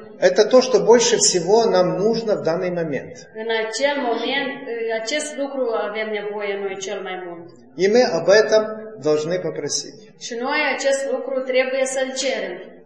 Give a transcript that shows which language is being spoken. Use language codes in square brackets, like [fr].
[ru] Это то, что больше всего нам нужно в данный момент. [ro] În acel moment acest lucru avem nevoie noi cel mai mult. [ru] И мы об этом должны попросить. [ro] Și noi acest lucru trebuie să-l cerem.